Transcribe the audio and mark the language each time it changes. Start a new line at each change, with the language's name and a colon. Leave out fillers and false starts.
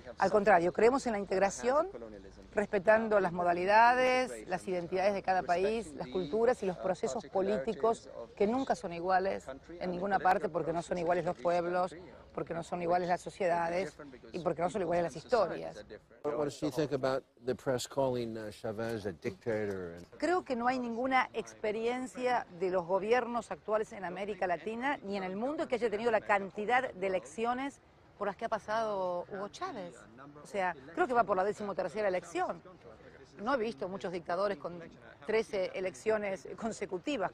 Spanish: Al contrario, creemos en la integración, respetando las modalidades, las identidades de cada país, las culturas y los procesos políticos que nunca son iguales en ninguna parte porque no son iguales los pueblos, porque no son iguales las sociedades y porque no son iguales las historias.
English: What does she think about the press calling Chavez a dictator?
Spanish: Creo que no hay ninguna experiencia de los gobiernos actuales en América Latina ni en el mundo que haya tenido la cantidad de elecciones por las que ha pasado Hugo Chávez. O sea, creo que va por la 13ª elección. No he visto muchos dictadores con 13 elecciones consecutivas.